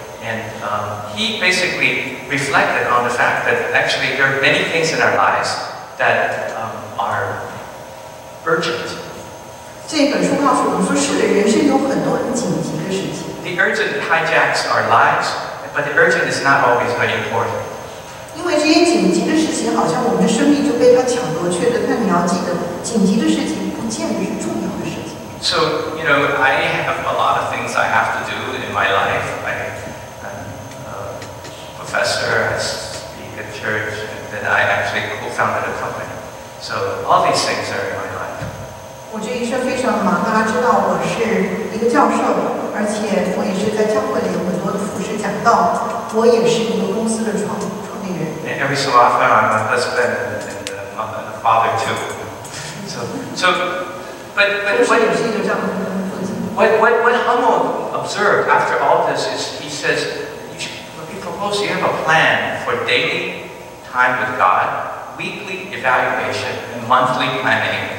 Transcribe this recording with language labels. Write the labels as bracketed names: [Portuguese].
[English] And he basically reflected on the fact that actually there are many things in our lives that are urgent. [Chinese] 这本书告诉我们说是的，人生有很多很紧急的事情。 [English] The urgent hijacks our lives, but the urgent is not always very important. [Chinese] 因为这些紧急的事情好像我们的生命就被它抢夺去了，但你要记得紧急的事情 [English] So, you know, I have a lot of things I have to do in my life. I'm a professor, I speak at church, and then I actually co-founded a company. So, all these things are in my life. [Chinese] 我这一生非常忙，大家知道我是一个教授，而且我也是在教会里有很多的服事讲道。我也是一个公司的创立人。 [English] Every so often, I'm a husband and a father too. So, what Hummel observed after all this is he says, he proposed you have a plan for daily time with God, weekly evaluation, and monthly planning.